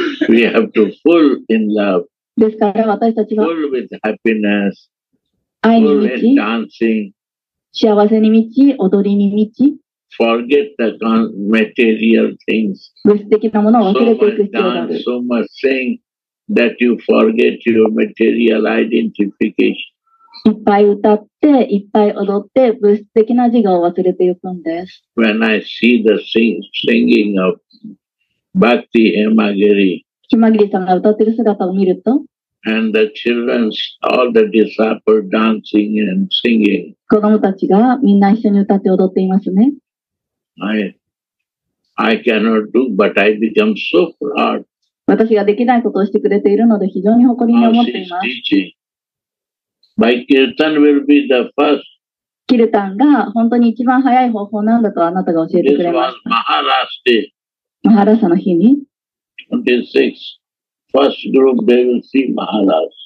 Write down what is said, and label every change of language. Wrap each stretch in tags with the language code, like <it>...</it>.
<en>We have to full in love.</en> <ja>ですから私たちは、</ja> <en>full with happiness.</en> <ja>愛に満ち、</ja> <en>dancing.</en> <ja>幸せに満ち、踊りに満ち、</ja> <en>Forget the material things.</en> <ja>物質的なものを忘れていく必要がある。</ja> <en>So much saying that you forget your material identification.</en> <ja>いっぱい歌って、いっぱい踊って、物質的な自我を忘れていくんです。</ja> <en>When I see the singing of Bhakti Himagiri,</en> <ja>Himagiri さんが歌ってる姿を見ると、</ja> <en>and the children, all the disciples dancing and singing.</en> <ja>子供たちがみんな一緒に歌って踊っていますね。</ja> <en>I cannot do, but I become so proud.</en> <ja>私ができないことをしてくれているので非常に誇りに思っています。</ja> <en>By Kirtan will be the first.</en> <ja>キルタンが本当に一番早い方法なんだとあなたが教えてくれました。</ja> <en>This was Maharashtra day.</en> <ja>マハラシャの日に。</ja> <en>26. First group they will see Maharashtra.</en>